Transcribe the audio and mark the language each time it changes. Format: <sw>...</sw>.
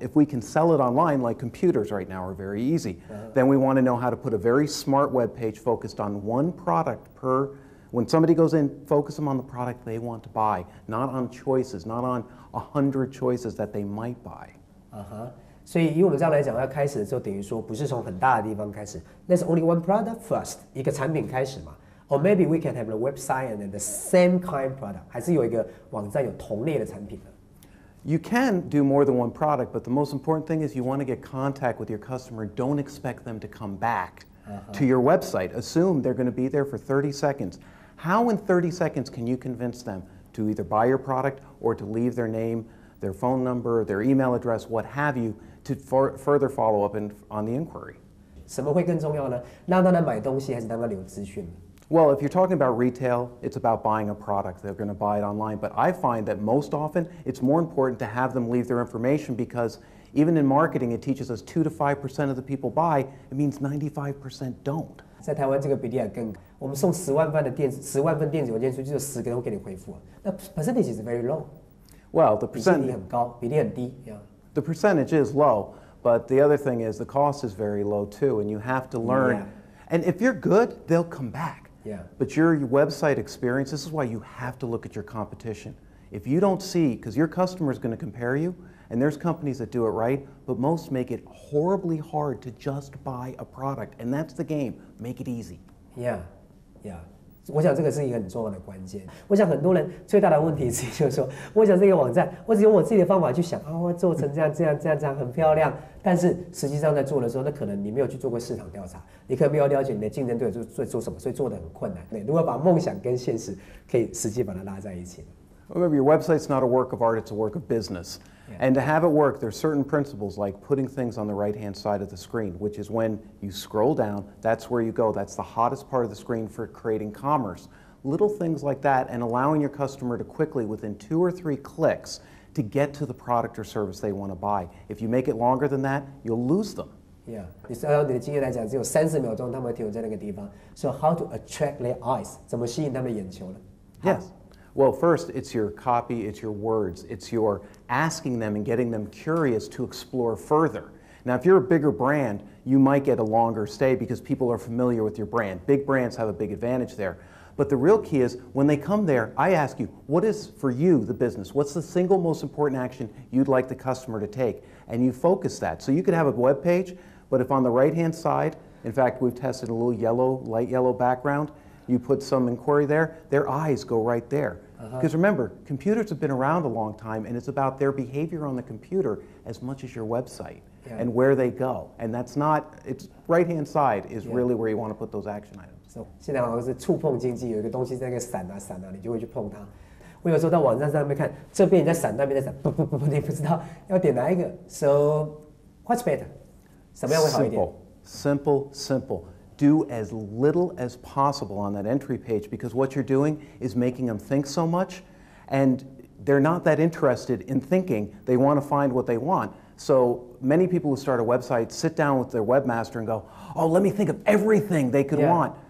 <en>If we can sell it online, like computers right now are very easy, then we want to know how to put a very smart web page focused on one product per, when somebody goes in, focus them on the product they want to buy, not on choices, not on 100 choices that they might buy.</en> <zh>所以以我们这样来讲，要开始的时候等于说不是从很大的地方开始。</zh> <en>That's only one product first,</en> <zh>一个产品开始嘛。</zh> <en>Or maybe we can have a website and then the same kind of product.</en> <zh>还是有一个网站有同类的产品的。</zh> <en>You can do more than one product, but the most important thing is you want to get contact with your customer. Don't expect them to come back to your website. Assume they're going to be there for 30 seconds. How in 30 seconds can you convince them to either buy your product or to leave their name, their phone number, their email address, what have you, to further follow up on the inquiry?</en> <zh>什么会更重要呢？让他们买东西还是让他们留资讯？</zh> <en>Well, if you're talking about retail, it's about buying a product. They're going to buy it online. But I find that most often, it's more important to have them leave their information, because even in marketing, it teaches us 2-5% of the people buy. It means 95% don't.</en> <zh>在台湾这个比例还更高。我们送10万份电子邮件出去，就10个人会给你回复。</zh> <en>那 percentage is very low. Well, the percentage</en> <zh>比例很高，比例很低。Yeah.</zh> <en>The percentage is low, but the other thing is the cost is very low too, and you have to learn. Yeah. And if you're good, they'll come back. Yeah. But your website experience, this is why you have to look at your competition. If you don't see, because your customer is going to compare you, and there's companies that do it right, but most make it horribly hard to just buy a product. And that's the game. Make it easy. Yeah. Yeah.</en> <zh>我想这个是一个很重要的关键。我想很多人最大的问题是，就是说，我想这个网站，我只用我自己的方法去想，啊，我做成这样很漂亮。但是实际上在做的时候，那可能你没有去做过市场调查，你可能没有了解你的竞争对手在做什么，所以做得很困难。对，如果把梦想跟现实可以实际把它拉在一起。</zh> <en>Maybe your website's not a work of art; it's a work of business. And to have it work, there's certain principles like putting things on the right-hand side of the screen, which is when you scroll down, that's where you go. That's the hottest part of the screen for creating commerce. Little things like that and allowing your customer to quickly, within 2 or 3 clicks, to get to the product or service they want to buy. If you make it longer than that, you'll lose them.</en> <zh>Yeah, 按照你的经验来讲，只有30秒钟他们会停留在那个地方。</zh> <en>So how to attract their eyes?</en> <zh>怎么吸引他们眼球呢？</zh> <en>Yes. Well, first, it's your copy, it's your words, it's your asking them and getting them curious to explore further. Now, if you're a bigger brand, you might get a longer stay because people are familiar with your brand. Big brands have a big advantage there. But the real key is, when they come there, I ask you, what is, for you, the business? What's the single most important action you'd like the customer to take? And you focus that. So you could have a web page, but if on the right-hand side, in fact, we've tested a little yellow, light yellow background,you put some inquiry there, their eyes go right there. Because remember, computers have been around a long time, and it's about their behavior on the computer as much as your website and where they go. And that's not, it's right-hand side is really where you want to put those action items.</en> <zh>So, 现在好像是触碰经济，有一个东西在那个闪啊闪啊，你就会去碰它。我有时候到网站上面看，这边在闪，那边在闪，不不不不，你不知道要点哪一个。</zh> <en>So, what's better?</en> <zh>什么样会好一点？</zh> <en>Simple, simple. Do as little as possible on that entry page because what you're doing is making them think so much and they're not that interested in thinking. They want to find what they want. So many people who start a website sit down with their webmaster and go, oh, let me think of everything they could want.</en>